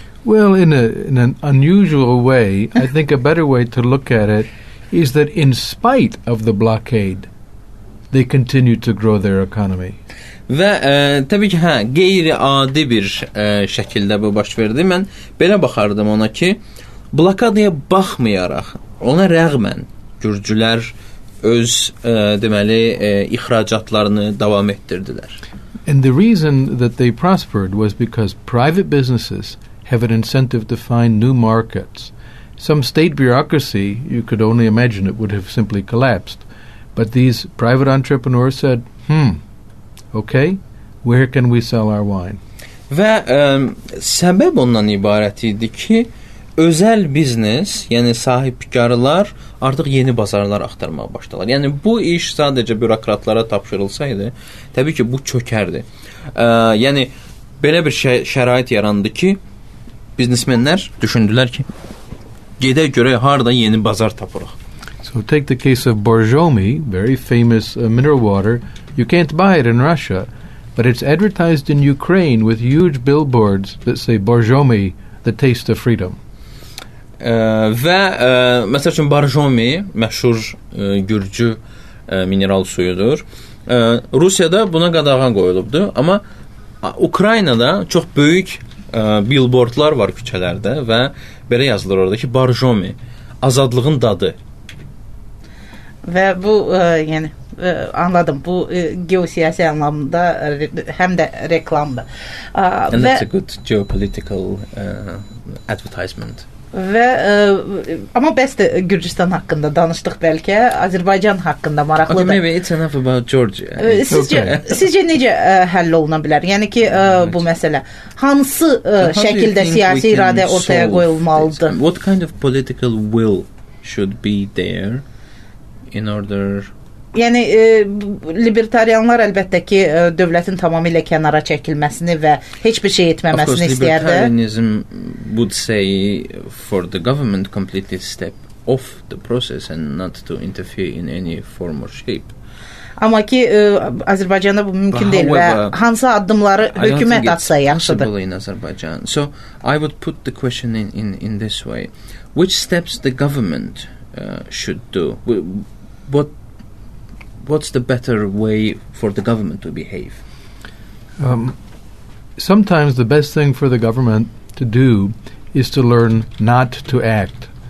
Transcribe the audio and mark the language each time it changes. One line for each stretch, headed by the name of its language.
English: Well, in an unusual way, I think a better way to look at it is that in spite of the blockade, they continued to grow their economy.
Azerbaijani: Və təbii ki, hə, qeyri-adi bir şəkildə bu baş verdi. Mən belə baxardım ona ki, blokadaya baxmayaraq, ona rəğmən gürcülər öz, deməli, ixracatlarını davam etdirdilər.
English: And the reason that they prospered was because private businesses have an incentive to find new markets. Some state bureaucracy, you could only imagine it, would have simply collapsed. But these private entrepreneurs said, okay, where can we sell our wine?
Azerbaijani: Və səbəb ondan ibarət idi ki, özəl biznes, yəni sahibkarlar artıq yeni bazarlar axtarmağa başladılar. Yəni bu iş sadəcə bürokratlara tapşırılsaydı, təbii ki, bu çökərdi. Yəni belə bir şərait yarandı ki, biznesmenlər düşündülər ki, gedək görək harda yeni bazar tapırıq.
English: So take the case of Borjomi, very famous mineral water. You can't buy it in Russia, but it's advertised in Ukraine with huge billboards that say Borjomi, the taste of freedom.
Azerbaijani: Və məsəl üçün Borjomi məşhur gürcü mineral suyudur. Rusiyada buna qadağa qoyulubdu, amma Ukraynada çox böyük billboardlar var küçələrdə və belə yazılır orada ki, Borjomi, azadlığın dadı. Və bu, yəni, anladım, bu geosiyasi anlamında həm də reklamdır.
English: And that's a good geopolitical advertisement.
Azerbaijani: Və amma bəs də Gürcüstan haqqında danışdıq bəlkə, Azərbaycan haqqında maraqlıdır.
English: Okay, maybe it's enough about Georgia.
Azerbaijani: Sizcə necə həll oluna bilər? Yəni ki, bu məsələ hansı şəkildə siyasi iradə ortaya qoyulmalıdır?
English: What kind of political will should be there in order...
Azerbaijani: Yəni, libertarianlar əlbəttə ki, dövlətin tamamilə kənara çəkilməsini və heç bir şey etməməsini istəyərdə.
English: Of course, libertarianism would say for the government completely step off the process and not to interfere in any form or shape.
Azerbaijani: Amma ki, Azərbaycanda bu mümkün deyil
English: however,
Azerbaijani: və hansı addımları hökumət atsa yaxşıdır.
English: Possible in Azerbaijan. So, I would put the question in this way. Which steps the government should do? What's the better way for the government to behave? Sometimes the best thing for the government to do is to learn not to act.